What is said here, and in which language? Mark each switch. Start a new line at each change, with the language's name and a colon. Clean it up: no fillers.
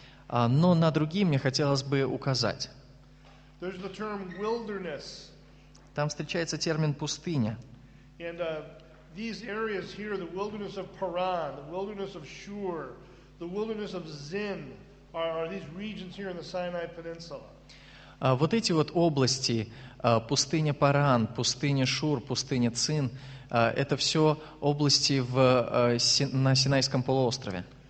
Russian: Но на другие мне хотелось бы указать.
English: The term wilderness.
Russian: Там встречается термин пустыня.
English: And these areas here, the wilderness of Paran, the wilderness of Shur, the wilderness of Zin, are these regions here in the Sinai Peninsula.
Russian: Вот эти вот области, пустыня Паран, пустыня Шур, пустыня Цин, это все области на Синайском полуострове.